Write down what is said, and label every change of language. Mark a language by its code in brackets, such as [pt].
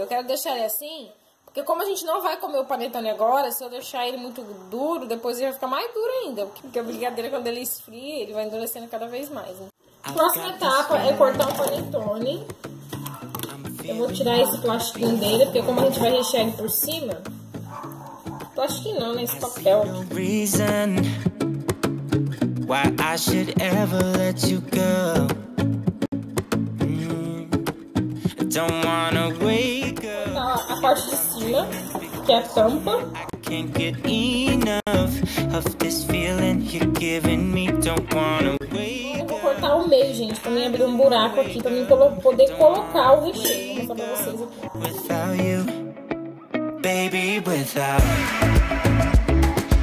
[pt] Eu quero deixar ele assim, porque como a gente não vai comer o panetone agora, se eu deixar ele muito duro, depois ele vai ficar mais duro ainda. Porque o brigadeiro, quando ele esfria, ele vai endurecendo cada vez mais. Né? Próxima etapa é cortar o panetone. Eu vou tirar esse plastiquinho dele, porque como a gente vai rechear ele por cima... Plastiquinho não, né? Esse papel aqui. [en] Why I should ever let you go. Don't wanna wake up. [pt] A parte de cima, que é a tampa. [en] I can't get enough of this feeling you're giving me. Don't wanna wake up. [pt] Vou cortar o meio, gente, pra mim abrir um buraco aqui, pra mim poder colocar o recheio. Vou mostrar pra vocês aqui. [en] Without you, baby, without you.